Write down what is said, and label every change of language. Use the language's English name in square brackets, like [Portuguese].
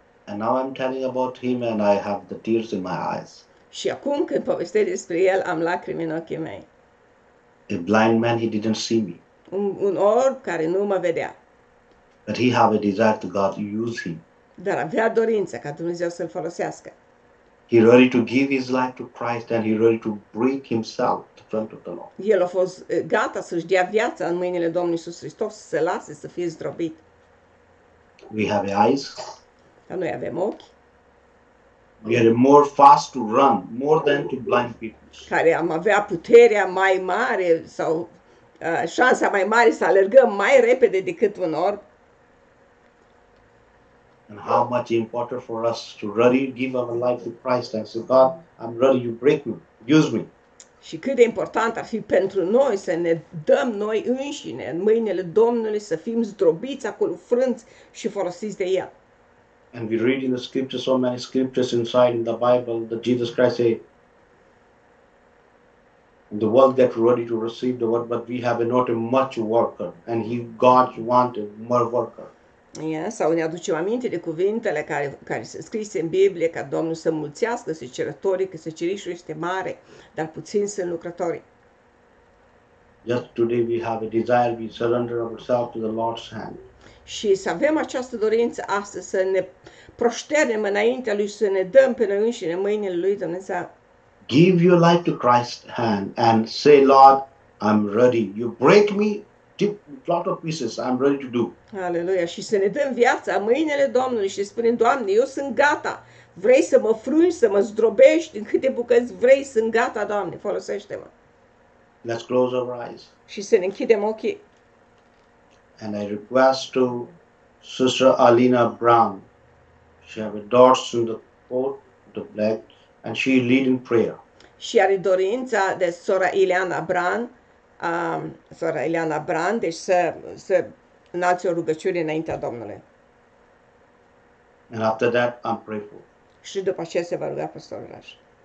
[English] And now I'm telling about him and I have the tears in my eyes. [Romanian] Și acum când povestesc despre el, am lacrimi în ochii mei. [English] A blind man, he didn't see me. [Romanian] Un orb care nu mă vedea. [English] But he have a desire to God to use him. [Romanian] Dar avea dorință ca Dumnezeu să-l folosească. [English] He ready to give his life to Christ and he ready to break himself in front of the Lord. [Romanian] El a fost gata să-și dea viața în mâinile Domnului Iisus Hristos, să se lase, să fie zdrobit. [English] We have eyes. [Romanian] Dar noi avem ochi. [English] We are more fast to run, more than to blind people. [Romanian] Care am avea puterea mai mare sau șansa mai mare să alergăm mai repede decât un orb. [English] And how much important for us to really give our life to Christ and say, God, I'm ready, you break me, use me. [Romanian] Și cât de important ar fi pentru noi să ne dăm noi înșine în mâinile Domnului, să fim zdrobiți acolo, frânți și folosiți de El. [English] And we read in the scriptures, so many scriptures inside in the Bible, that Jesus Christ say, the world get ready to receive the word, but we have not a much worker, and he, God want a more worker. [Romanian] Yeah, sau ne aducem aminte de cuvintele care sunt scrise în Biblie, ca Domnul să mulțească secerătorii, că secerișul este mare, dar puțin sunt lucrătorii. [English] Just today we have a desire, we surrender ourselves to the Lord's hand. [Romanian] Și să avem această dorință astăzi, să ne proșternem înaintea Lui, să ne dăm pe noi înșine mâinile Lui Dumnezeu. [English] Give your life to Christ's hand and say, Lord, I'm ready. You break me, tip lot of pieces, I'm ready to do. [Romanian] Aleluia! Și să ne dăm viața în mâinile Domnului și spunem, Doamne, eu sunt gata. Vrei să mă frângi, să mă zdrobești în câte bucăți vrei, sunt gata, Doamne, folosește-mă. [English] Let's close our eyes. [Romanian] Și să ne închidem ochii. [English] And I request to Sister Alina Brown. She have a dots in the coat, the black, and she lead in prayer. [Romanian] Și are dorința de sora Ileana Brown, sora Ileana Brown, deci să înalți o rugăciune înaintea Domnului. [English] And after that, I'm pray for. [Romanian] Și după aceea se va ruga pastorul Raș.